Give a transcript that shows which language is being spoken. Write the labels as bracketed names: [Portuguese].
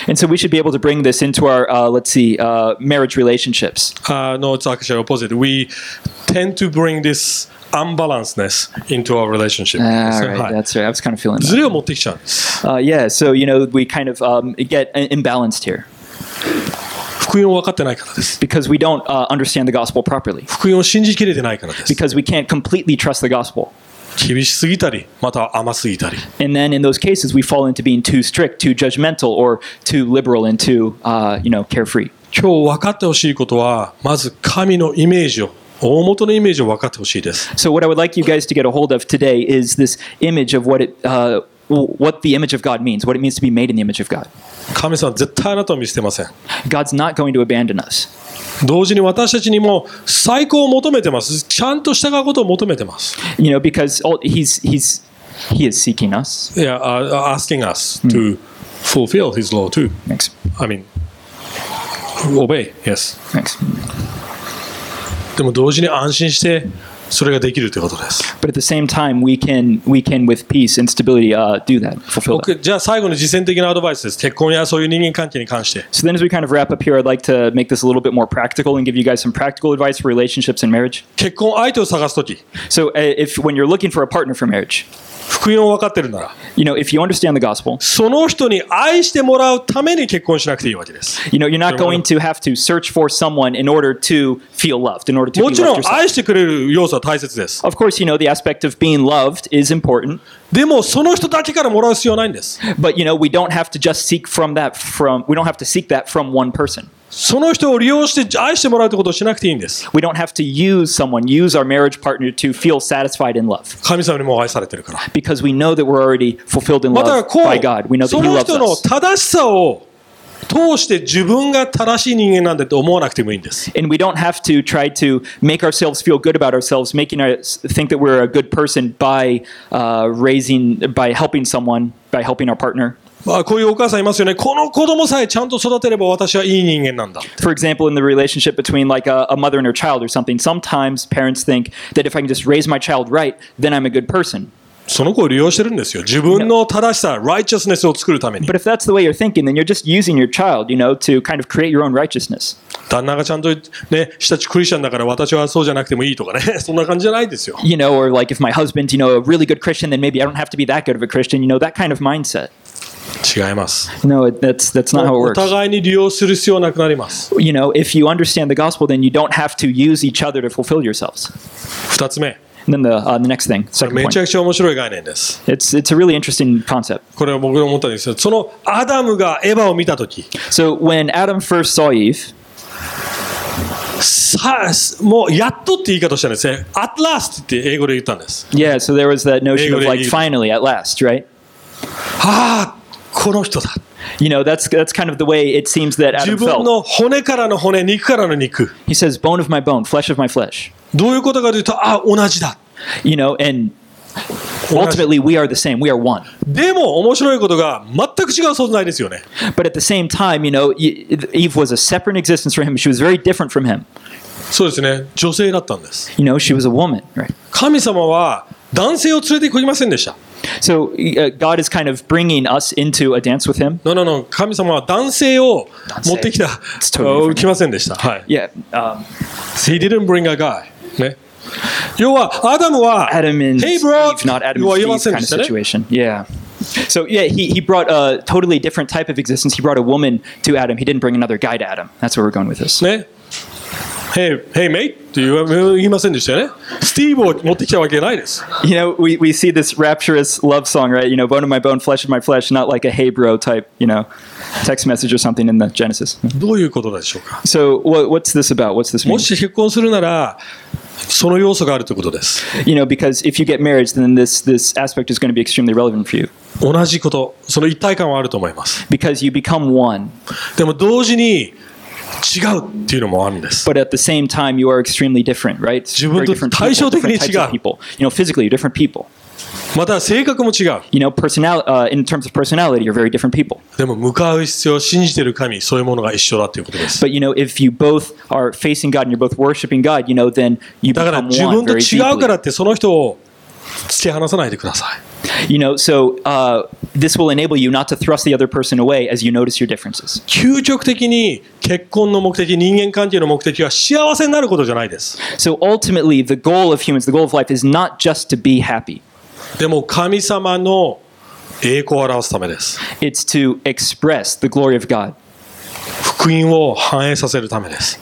[English] And so we should be able to bring this into our, let's see, marriage relationships. No, it's actually opposite. We tend to bring this unbalancedness into our relationship. That's right. I was kind of feeling [Japanese] that. ズレを持ってきちゃうんです。 [English] Yeah, so, you know, we kind of get imbalanced here. [Japanese] 福音を分かってないからです。 [English] Because we don't understand the gospel properly. [Japanese] 福音を信じきれてないからです。 [English] Because we can't completely trust the gospel. [Japanese] 厳しすぎたり、または甘すぎたり。 [English] And then in those cases, we fall into being too strict, too judgmental, or too liberal and too, you know, carefree. [Japanese] 今日分かってほしいことは、まず神のイメージを、大元のイメージを分かってほしいです。 [English] So what I would like you guys to get a hold of today is this image of what the image of God means, what it means to be made in the image of God. [Japanese] 神様は絶対あなたを見捨てません。 [English] God's not going to abandon us. [Japanese] 同時に私たちにも最高を求めてます。ちゃんと従うことを求めてます。 [English] You know, because he is seeking us. Yeah, asking us to fulfill his law too. Thanks. I mean, obey, yes. Thanks. [Japanese] でも同時に安心してそれができるということです。 [English] But at the same time, we can with peace and stability, do that, fulfill that. [Japanese] じゃあ最後の実践的なアドバイスです。結婚やそういう人間関係に関して。 [English] So then as we kind of wrap up here, I'd like to make this a little bit more practical and give you guys some practical advice for relationships and marriage. [Japanese] 結婚相手を探すとき。 [English] So if when you're looking for a partner for marriage. [Japanese] 福音を分かってるなら、 [English] you know, if you understand the gospel, [Japanese] その人に愛してもらうために結婚しなくていいわけです。 [English] You know, you're not going to have to search for someone in order to feel loved, in order to be loved yourself. [Japanese] もちろん愛してくれる要素は大切です。 [English] Of course, you know, the aspect of being loved is important. [Japanese] でもその人だけからもらう必要ないんです。 [English] But you know, we don't have to just seek from that from we don't have to seek that from one person. [Japanese] その人を利用して愛してもらうということをしなくていいんです。 [English] We don't have to use someone, use our marriage partner to feel satisfied in love. [Japanese] 神様にも愛されてるから。 [English] Because we know that we're already fulfilled in love by God. We know that He loves us. [Japanese] その人の正しさを通して自分が正しい人間なんだと思わなくてもいいんです。 [English] And we don't have to try to make ourselves feel good about ourselves, making us think that we're a good person by raising, by helping someone, by helping our partner. [Japanese] まあ、こういうお母さんいますよね。この子供さえちゃんと育てれば私はいい人間なんだ。 [English] For example, in the relationship between like a mother and her child or something, sometimes parents think that if I can just raise my child right, then I'm a good person. [Japanese] その子を利用してるんですよ。自分の正しさ、righteousness を作るために。 [English] But if that's the way you're thinking, then you're just using your child, you know, to kind of create your own righteousness. [Japanese] 旦那がちゃんとね、下地クリスチャンだから私はそうじゃなくてもいいとかね、そんな感じじゃないですよ。 [English] You know, or like if my husband, you know, a really good Christian, then maybe I don't have to be that good of a Christian, you know, that kind of mindset. [Japanese] 違います。 [English] No, that's not how it works. [Japanese] お互いに利用する必要なくなります。 [English] You know, if you understand the gospel, then you don't have to use each other to fulfill yourselves. [Japanese] 二つ目。 [English] And then the next thing, second point. [Japanese] めちゃくちゃ面白い概念です。 [English] It's a really interesting concept. [Japanese] これは僕が思ったんですよ。そのアダムがエヴァを見たとき。 [English] So when Adam first saw Eve, [Japanese] さあ、もうやっとって言い方をしたんですね。 [English] At last [Japanese] って英語で言ったんです。 [English] Yeah, so there was that notion of like finally, at last, right? [Japanese] ああ、この人だ。 [English] You know, that's kind of the way it seems that Adam felt. [Japanese] 自分の骨からの骨、肉からの肉。 [English] He says, bone of my bone, flesh of my flesh. [Japanese] どういうことかというと、あ、同じだ。 [English] You know, and ultimately we are the same, we are one. [Japanese] でも面白いことが全く違う存在ですよね。 [English] But at the same time, you know, Eve was a separate existence from him. She was very different from him. [Japanese] そうですね、女性だったんです。 [English] You know, she was a woman, right? [Japanese] 神様は男性を連れてこいませんでした。 [English] So God is kind of bringing us into a dance with Him. No, no, no. [Japanese] 神様は男性を持ってきた。 [English] It's totally [Japanese] different. 来ませんでした。はい。 [English] Yeah. He didn't bring a guy. [Japanese] ね。要はアダムは、 [English] Adam and Hey, bro. Eve, not Adam and Steve kind of situation. Yeah. So yeah, he brought a totally different type of existence. He brought a woman to Adam. He didn't bring another guy to Adam. That's where we're going with this. [Japanese] ね。 [English] Hey, mate, do you have anything to say? Steve would not take away like this. You know, we see this rapturous love song, right? You know, bone of my bone, flesh of my flesh, not like a hey bro type, you know, text message or something in the Genesis. [Japanese] どういうことでしょうか? [English] So, what's this about? What's this mean? [Japanese] もし結婚するなら、その要素があるということです。 [English] You know, because if you get married, then this aspect is going to be extremely relevant for you. [Japanese] 同じこと、その一体感はあると思います。 [English] Because you become one. [Japanese] でも同時に、違うっていうのもあるんです。 [English] But at the same time, you are extremely different, right? [Japanese] 自分と対照的に違う。 [English] You know, physically, you're different people. [Japanese] また性格も違う。 [English] You know, in terms of personality, you're very different people. [Japanese] でも向かう必要、信じてる神、そういうものが一緒だっていうことです。 [English] But you know, if you both are facing God and you're both worshiping God, you know, then you become one very deeply. [Japanese] だから自分と違うからってその人を突き放さないでください。 [English] You know, so this will enable you not to thrust the other person away as you notice your differences. [Japanese] 究極的に結婚の目的、人間関係の目的は幸せになることじゃないです。 [English] So ultimately, the goal of humans, the goal of life is not just to be happy. [Japanese] でも神様の栄光を表すためです。 [English] It's to express the glory of God. [Japanese] 福音を反映させるためです。